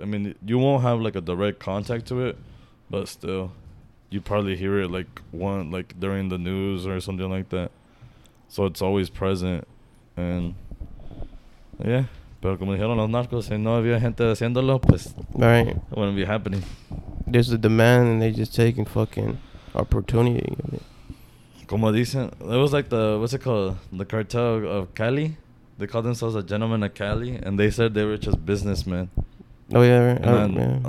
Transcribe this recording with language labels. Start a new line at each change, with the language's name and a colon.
English: I mean, you won't have like a direct contact to it, but still, you probably hear it like during the news or something like that. So it's always present, and yeah.
Spanish: Pero como dijeron los narcos, si no había gente haciéndolo, pues,
English: right, it wouldn't be happening. There's a demand, and they're just taking fucking opportunity.
Spanish: Como dicen,
English: it was like the, what's it called, the cartel of Cali. They called themselves a gentleman of Cali, and they said they were just businessmen. Oh yeah, right. And oh, then, yeah.